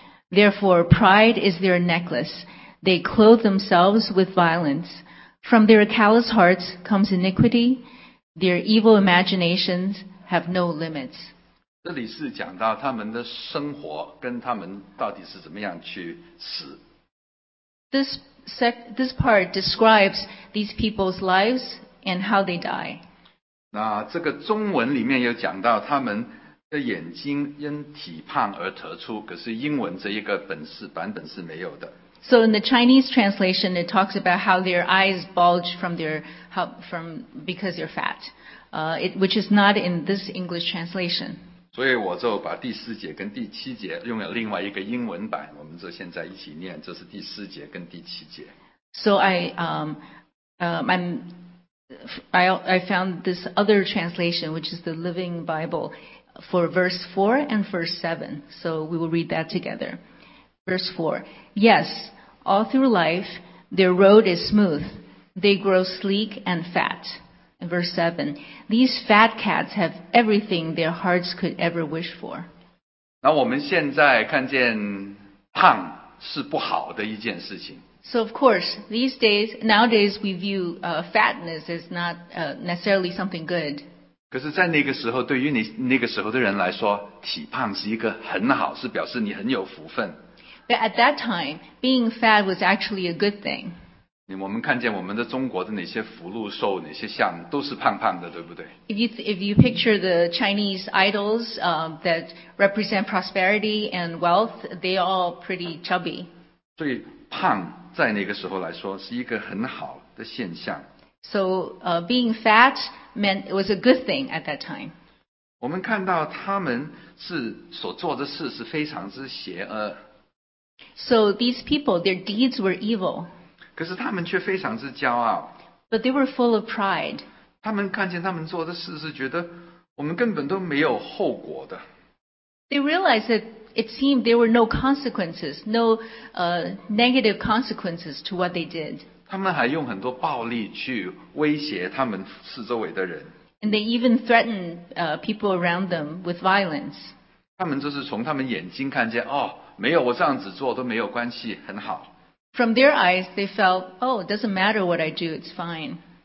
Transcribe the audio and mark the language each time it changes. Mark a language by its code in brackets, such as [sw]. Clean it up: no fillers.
[en] Therefore, pride is their necklace. They clothe themselves with violence. From their callous hearts comes iniquity. Their evil imaginations have no limits. [zh] 这里是讲到他们的生活跟他们到底是怎么样去死。 [en] This part describes these people's lives and how they die. [zh] 那这个中文里面有讲到他们的眼睛因体胖而突出，可是英文这一个版本是没有的。 [en] So in the Chinese translation, it talks about how their eyes bulge because they're fat, which is not in this English translation. [zh] 所以我就把第四节跟第七节用了另外一个英文版，我们就现在一起念，这是第四节跟第七节。 [en] So I found this other translation, which is the Living Bible, for verse 4 and verse 7. So we will read that together. Verse 4. Yes, all through life, their road is smooth. They grow sleek and fat. And verse 7. These fat cats have everything their hearts could ever wish for. [zh] 那我们现在看见胖是不好的一件事情。 [en] So of course, these days, nowadays, we view fatness as not necessarily something good. [zh] 可是在那个时候，对于你那个时候的人来说，体胖是一个很好，是表示你很有福分。 [en] But at that time, being fat was actually a good thing. [zh] 我们看见我们的中国的那些福禄寿，那些像都是胖胖的，对不对？ [en] If you picture the Chinese idols that represent prosperity and wealth, they are all pretty chubby. [zh] 所以胖在那个时候来说是一个很好的现象。 [en] So, being fat meant it was a good thing at that time. [zh] 我们看到他们是所做的事是非常之邪恶。 [en] So these people, their deeds were evil. [zh] 可是他们却非常之骄傲。 [en] But they were full of pride. [zh] 他们看见他们做的事是觉得我们根本都没有后果的。 [en] They realized that it seemed there were no consequences, no negative consequences to what they did. [zh] 他们还用很多暴力去威胁他们四周围的人。 [en] And they even threatened people around them with violence. [zh] 他们就是从他们眼睛看见，哦，没有我这样子做都没有关系，很好。 [en] From their eyes, they felt, oh, it doesn't matter what I do, it's fine.